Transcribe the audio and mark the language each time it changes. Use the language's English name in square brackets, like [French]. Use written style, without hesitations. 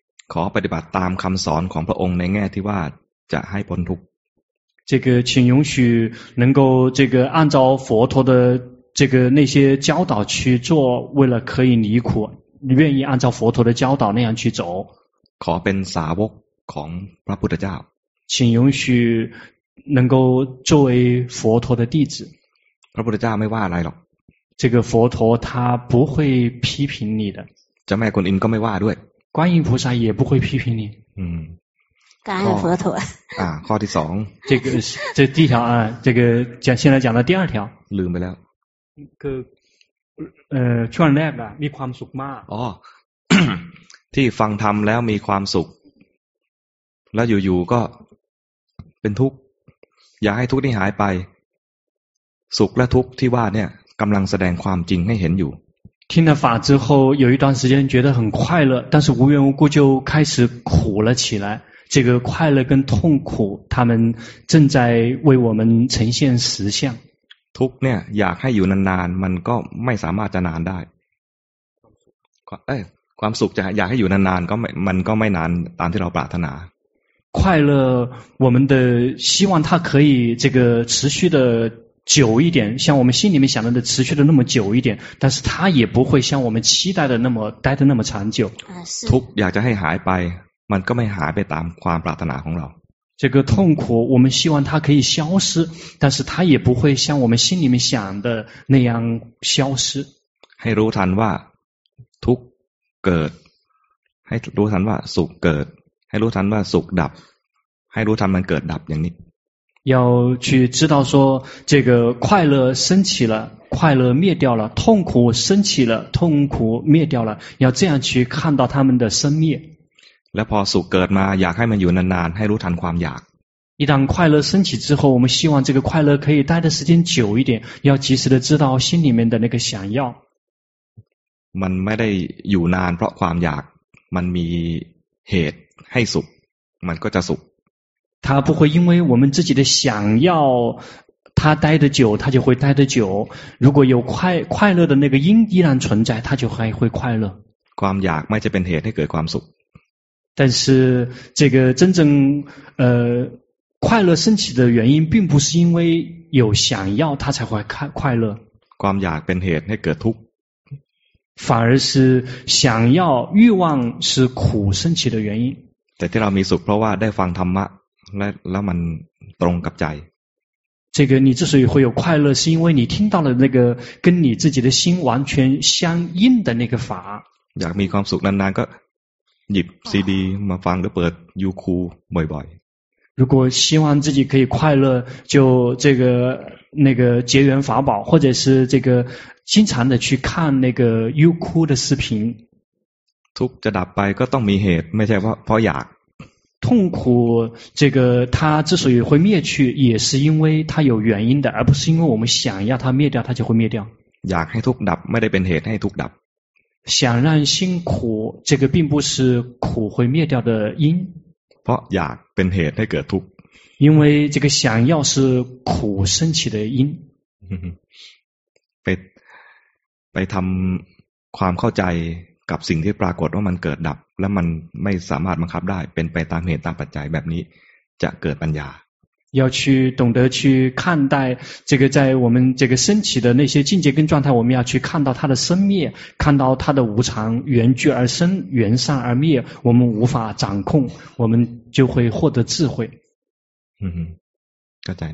[Thai] ขอปฏิบัติตามคำสอนของพระองค์ในแง่ที่ว่าจะให้พ้นทุกข์ [Chinese] 这个请允许能够这个按照佛陀的这个那些教导去做为了可以离苦愿意按照佛陀的教导那样去走 [Thai] ขอเป็นสาวกของพระพุทธเจ้า [Chinese] 请允许能够作为佛陀的弟子 [Thai] พระพุทธเจ้าไม่ว่าอะไรหรอก [Chinese] 这个佛陀他不会批评你的 [Thai] จะแม่กวนอิมก็ไม่ว่าด้วย [Chinese] 观音菩萨也不会批评你感恩佛陀 [Thai] 啊，ข้อที่สอง [Chinese] 这个这第一条啊，这个讲现在讲的第二条 [Thai] ลืมไปแล้ว คือช่วงแรกอะมีความสุขมาก อ๋อ ที่ฟังธรรมแล้วมีความสุขแล้วอยู่ๆก็เป็นทุกข์อย่าให้ทุกข์นี้หายไปสุขและทุกข์ที่ว่าเนี่ยกำลังแสดงความจริงให้เห็นอยู่ [Chinese] 听了法之后有一段时间觉得很快乐但是无缘无故就开始苦了起来这个快乐跟痛苦他们正在为我们呈现实相 [Thai] ทุกเนี่ยอยากให้อยู่นานๆมันก็ไม่สามารถจะนานได้ความสุขจะอยากให้อยู่นานๆก็มันก็ไม่นานตามที่เราปรารถนา [Chinese] 快乐我们的希望它可以这个持续的久一点像我们心里面想的持续的那么久一点但是它也不会像我们期待的那么待的那么长久 [Thai] ทุกอยากจะให้หายไปมันก็ไม่หายไปตามความปรารถนาของเรา [Chinese] 这个痛苦我们希望它可以消失但是它也不会像我们心里面想的那样消失 [Thai] ให้รู้ทันว่าทุกเกิดให้รู้ทันว่าสุขเกิดให้รู้ทันว่าสุขดับให้รู้ทันมันเกิดดับอย่างนี้ [Chinese] 要去知道说这个快乐升起了快乐灭掉了痛苦升起了痛苦灭掉了要这样去看到它们的生灭 [Thai] และพอสุขเกิดมาอยากให้มันอยู่นานๆให้รู้ทันความอยาก [Chinese] 一旦快乐升起之后我们希望这个快乐可以待的时间久一点要及时的知道心里面的那个想要 [Thai] มันไม่ได้อยู่นานเพราะความอยากมันมีเหตุให้สุขมันก็จะสุข [Chinese] 他不会因为我们自己的想要他待得久，他就会待得久。如果有快乐的那个因依然存在，他就还会快乐。 [Thai] ความอยากไม่จะเป็นเหตุให้เกิดความสุข。 [Chinese] 但是这个真正快乐升起的原因，并不是因为有想要他才会快乐。 [Thai] ความอยากเป็นเหตุให้เกิดทุกข์。 [Chinese] 反而是想要欲望是苦升起的原因。 [Thai] แต่ที่เรามีสุขเพราะว่าได้ฟังธรรมะและมันตรงกับใจ。 [Chinese] 这个你之所以会有快乐，是因为你听到了那个跟你自己的心完全相应的那个法。 [Thai] อยากมีความสุขนานๆก็หยิบซีดีมาฟังหรือเปิดยูคูบ่อย ๆ。 [Chinese] 如果希望自己可以快乐，就这个那个结缘法宝，或者是这个经常的去看那个优酷的视频。 [Thai] ทุกจะดับไปก็ต้องมีเหตุไม่ใช่เพราะอยาก。 [Chinese] 痛苦这个它之所以会灭去，也是因为它有原因的，而不是因为我们想要它灭掉它就会灭掉。 [Thai] อยากให้ทุกข์ดับไม่ได้เป็นเหตุให้ทุกข์ดับ。 [Chinese] 想让辛苦这个并不是苦会灭掉的因。 [Thai] เพราะอยากเป็นเหตุให้เกิดทุกข์。 [Chinese] 因为这个想要是苦升起的因。 [Thai] ไปทำความเข้าใจกับสิ่งที่ปรากฏว่ามันเกิดดับและมันไม่สามารถบังคับได้เป็นไปตามเหตุตามปัจจัยแบบนี้จะเกิดปัญญา [Chinese] 要去懂得去看待这个在我们这个升起的那些境界跟状态我们要去看到它的生灭看到它的无常缘聚而生缘散而灭我们无法掌控我们就会获得智慧嗯哼，了解